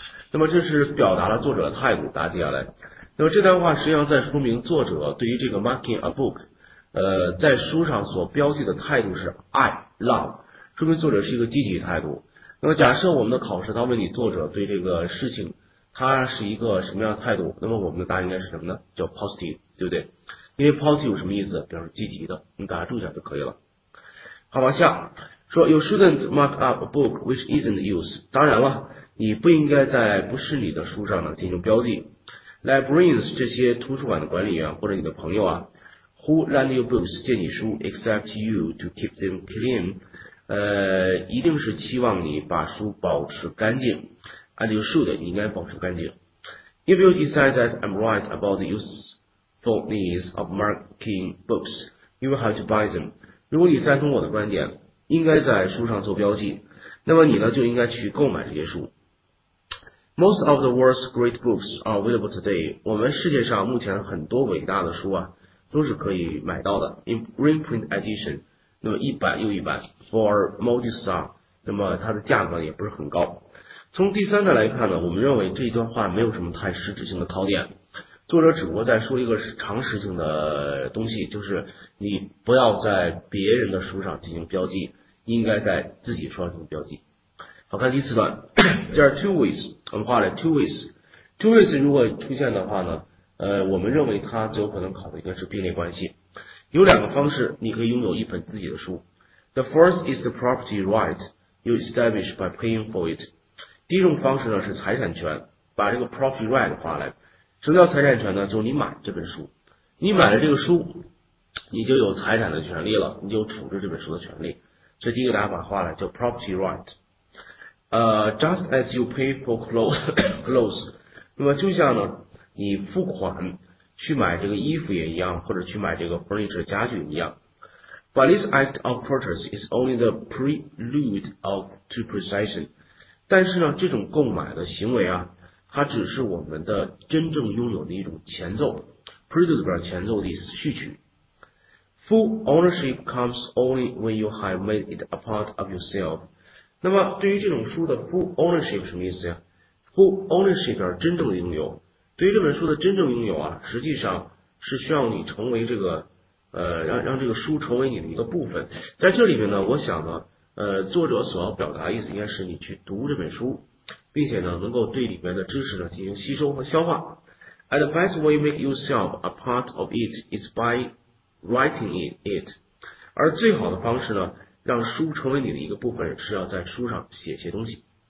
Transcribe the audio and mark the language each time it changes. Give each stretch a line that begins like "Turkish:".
Chinese: 那么这是表达了作者的态度，大家接下来，那么这段话实际上在说明作者对于这个
English: marking a book，
Chinese: 在书上所标记的态度是爱 love，说明作者是一个积极态度。那么假设我们的考试，他问你作者对这个事情他是一个什么样的态度，那么我们的答案应该是什么呢？叫 positive，对不对？因为 positive 有什么意思？表示积极的，你打住一下就可以了。好，往下说，
English: You shouldn't mark up a book which isn't used。
Chinese: 当然了。你不应该在不是你的书上呢进行标记。 Librarians 这些图书馆的管理员或者你的朋友啊，
English: who lend you books
Chinese: 借你书，
English: expect you to keep them clean，
Chinese: 一定是期望你把书保持干净。
English: And you should
Chinese: 你应该保持干净。
English: If you decide that I'm right about the usefulness of marking books, you will have to buy them。
Chinese: 如果你赞同我的观点，应该在书上做标记，那么你呢就应该去购买这些书。
English: Most of the world's great books are available today。
Chinese: 我们世界上目前很多伟大的书啊，都是可以买到的。
English: In reprint edition，
Chinese: 那么一版又一版，
English: for modest sum，
Chinese: 那么它的价格也不是很高。从第三段来看呢，我们认为这一段话没有什么太实质性的考点，作者只不过在说一个常识性的东西，就是你不要在别人的书上进行标记，应该在自己书上进行标记。好看第四段 ，
English: There are two ways。
Chinese: 我们画了 two ways。 two ways 如果出现的话呢，我们认为它最有可能考的应该是并列关系。有两个方式，你可以拥有一本自己的书。
English: The first is the property right you establish by paying for it。
Chinese: 第一种方式呢是财产权，把这个 property right 画来。什么叫财产权呢？就是你买这本书，你买了这个书，你就有财产的权利了，你就有处置这本书的权利。所以第一个打法画了叫 property right。
English: Just as you pay for clothes，
Chinese: 那么就像呢，你付款去买这个衣服也一样，或者去买这个 furniture 家具一样。
English: But this act of purchase is only the prelude of to possession。
Chinese: 但是呢，这种购买的行为啊，它只是我们的真正拥有的一种前奏，prelude 表前奏的意思，序曲。
English: Full ownership comes only when you have made it a part of yourself。
Chinese: 那么，对于这种书的 full ownership 什么意思呀？full ownership 表示真正的拥有。对于这本书的真正拥有啊，实际上是需要你成为这个，让这个书成为你的一个部分。在这里面呢，我想呢，作者所要表达的意思应该是你去读这本书，并且呢，能够对里面的知识呢进行吸收和消化。
English: And the best way you make yourself a part of it is by writing it.
Chinese: 而最好的方式呢，让书成为你的一个部分，是要在书上写些东西。